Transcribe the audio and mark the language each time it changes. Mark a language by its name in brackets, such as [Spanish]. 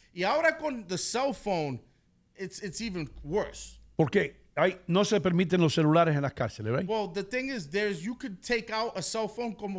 [Spanish] Y ahora con [English] the cell phone, it's even worse. [Spanish] ¿Por qué? No se permiten los celulares en las cárceles, [English] right? Well, the thing is, you could take out a cell phone [Spanish] como...